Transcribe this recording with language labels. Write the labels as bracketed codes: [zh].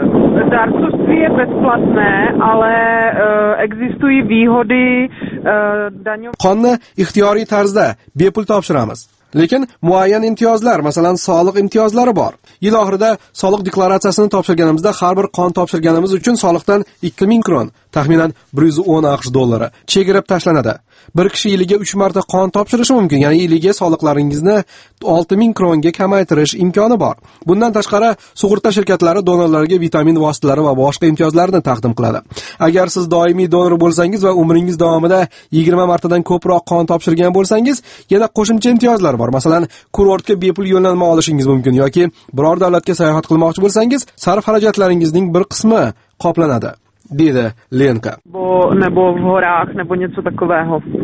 [cs] Zdárcovství je bezplatné, ale existují výhody daňové. [uz] Qonni ixtiyoriy tarzda bepul topshiramiz. Lekin muayyan imtiyozlar, masalan, soliq imtiyozlari bor. Yil oxirida soliq deklaratsiyasini topshirganimizda har bir qon topshirganimiz uchun soliqdan 2000 kron, taxminan 110 AQSh dollari chegirib tashlanadi. Bir kishi yiliga 3 marta qon topshirishi mumkin, ya'ni yiliga soliqlaringizni 6000 kronga kamaytirish imkoni bor. Bundan tashqari, sug'urta shirkatlari donorlarga vitamin vositalari va boshqa imtiyozlarni taqdim qiladi. Agar siz doimiy donor bo'lsangiz va umringiz davomida 20 martadan ko'proq qon topshirgan bo'lsangiz, yana qo'shimcha imtiyozlar bor. Masalan, kurortga bepul yo'llanma olishingiz mumkin yoki biror davlatga sayohat qilmoqchi bo'lsangiz, sarf xarajatlaringizning bir qismi qoplanadi. Dedi Lenka. [cs] Nebo v horách, nebo něco takového.